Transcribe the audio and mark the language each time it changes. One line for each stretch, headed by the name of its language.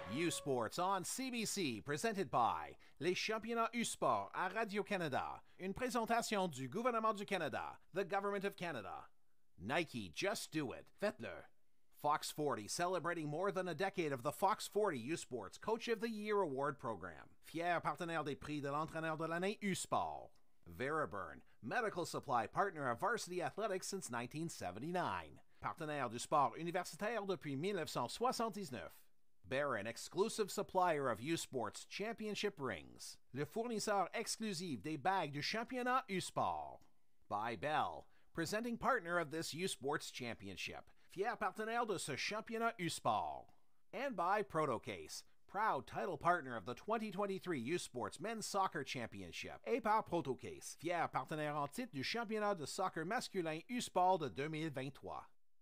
English: Sports on CBC, presented by Les Championnats U-Sports à Radio-Canada.
French: Une présentation du gouvernement du Canada, the Government of Canada.
English: Nike, just do it.
French: Faites-le.
English: Fox 40, celebrating more than a decade of the Fox 40 U-Sports Coach of the Year Award Program.
French: Fier partenaire des prix de l'entraîneur de l'année U-Sports.
English: Veriburn, medical supply partner of Varsity Athletics since 1979.
French: Partenaire du sport universitaire depuis 1979.
English: Baron, exclusive supplier of U-Sports Championship Rings.
French: Le fournisseur exclusif des bagues du championnat U-Sport.
English: By Bell, presenting partner of this U-Sports Championship.
French: Fier partenaire de ce championnat U-Sport.
English: and by Protocase, proud title partner of the 2023 U Sports Men's Soccer Championship.
French: Et par Protocase, fier partenaire en titre du championnat de soccer masculin U Sport de 2023.